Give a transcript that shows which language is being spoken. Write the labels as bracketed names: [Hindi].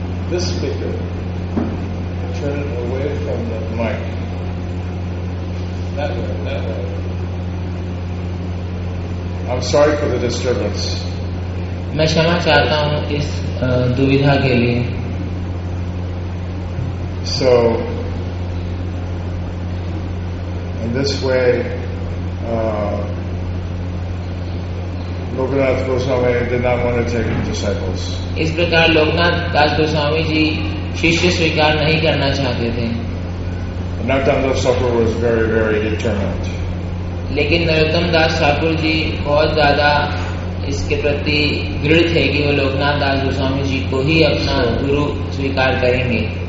[English] This speaker, turn it away from the mic. That way. I'm sorry for the disturbance. [Hindi] मैं क्षमा चाहता हूँ इस दुविधा के लिए. [English] So, in this way, Loknath Goswami did not want to take disciples. [Hindi] इस प्रकार लोकनाथ दास गोस्वामी जी शिष्य स्वीकार नहीं करना चाहते थे. [English] Nagdam Das Thakur was very, very determined. [Hindi] लेकिन नरोत्तम दास ठाकुर जी बहुत ज्यादा इसके प्रति दृढ़ थे कि वो लोकनाथ दास गोस्वामी जी को ही अपना गुरु स्वीकार करेंगे.